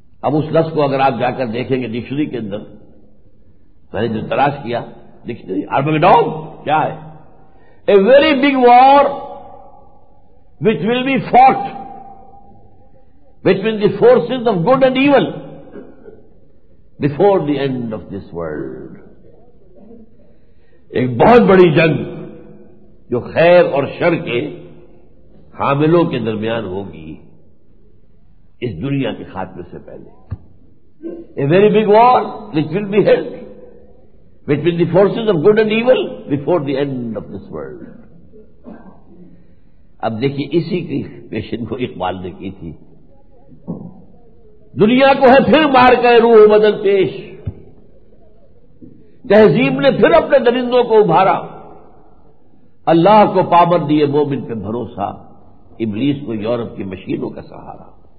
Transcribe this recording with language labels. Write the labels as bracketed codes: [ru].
[ur] اب اس لفظ کو اگر آپ جا کر دیکھیں گے ڈکشنری کے اندر، میں نے جو تلاش کیا ڈکشنری، آرمگیڈون کیا ہے؟ [en] A very big war which will be fought between the forces of good and evil before the end of this world. [ur] ایک بہت بڑی جنگ جو خیر اور شر کے حاملوں کے درمیان ہوگی اس دنیا کے خاتمے سے پہلے. [en] A very big war which will be held between the forces of good and evil before the end of this world. [ur] اب دیکھیے اسی کی پیشن کو اقبال نے کی تھی، دنیا کو ہے پھر مار کر روح و بدن پیش، تہذیب نے پھر اپنے درندوں کو ابھارا، اللہ کو پاور دیے مومن پہ بھروسہ، ابلیس کو یورپ کی مشینوں کا سہارا.